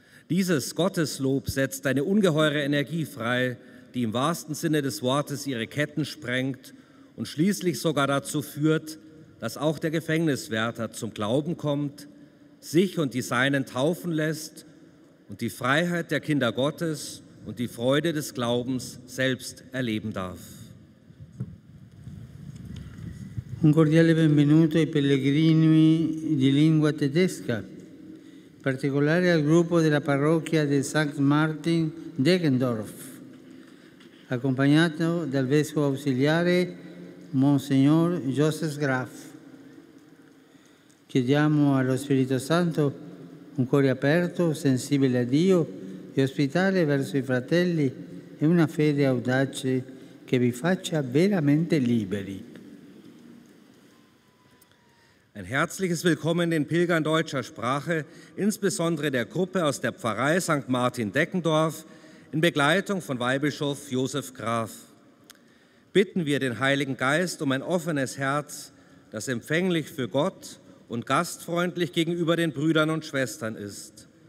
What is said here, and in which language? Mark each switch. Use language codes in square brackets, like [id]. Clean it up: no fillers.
[de] Dieses Gotteslob setzt eine ungeheure Energie frei, die im wahrsten Sinne des Wortes ihre Ketten sprengt und schließlich sogar dazu führt, dass auch der Gefängniswärter zum Glauben kommt, sich und die Seinen taufen lässt und die Freiheit der Kinder Gottes und die Freude des Glaubens selbst erleben darf. [it] Un cordiale benvenuto ai pellegrini di lingua tedesca. In particolare al gruppo della parrocchia di St. Martin Deggendorf, accompagnato dal vescovo ausiliare Monsignor Joseph Graf. Chiediamo allo Spirito Santo un cuore aperto, sensibile a Dio e ospitale verso i fratelli e una fede audace che vi faccia veramente liberi. [de] Ein herzliches Willkommen den Pilgern deutscher Sprache, insbesondere der Gruppe aus der Pfarrei St. Martin Deggendorf in Begleitung von Weihbischof Josef Graf. bitten wir den Heiligen Geist um ein offenes Herz, das empfänglich für Gott und gastfreundlich gegenüber den Brüdern und Schwestern ist.